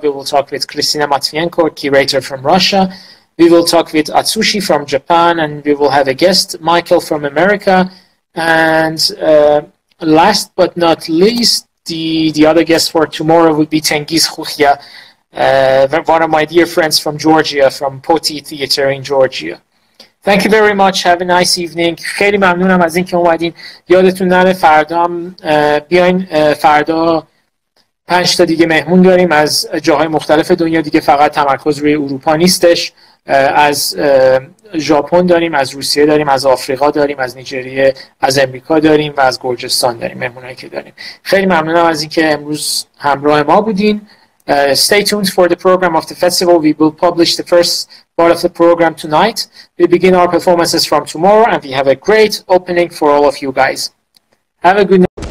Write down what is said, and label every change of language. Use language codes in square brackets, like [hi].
[en] We will talk with Kristina Matvienko, curator from Russia. We will talk with Atsushi from Japan, and we will have a guest, Michael from America. And last but not least, The other guest for tomorrow would be Tengiz Khuchia, one of my dear friends from Georgia, from Poti Theater in Georgia. Thank you very much. Have a nice evening. [fa] خیلی ممنونم از اینکه اومدین. یادتون نره فردا بیاین. فردا 5 تا دیگه مهمون داریم از جاهای مختلف دنیا دیگه، فقط تمرکز روی اروپا نیستش. از ژاپن داریم، از روسیه داریم، از آفریقا داریم، از نیجریه، از امریکا داریم و از گرجستان داریم، مهمونایی که داریم. خیلی ممنونم از اینکه امروز همراه ما بودین. [en] Stay tuned for the program of the festival. We will publish the first part of the program tonight. We begin our performances from tomorrow, and we have a great opening for all of you guys. Have a good night.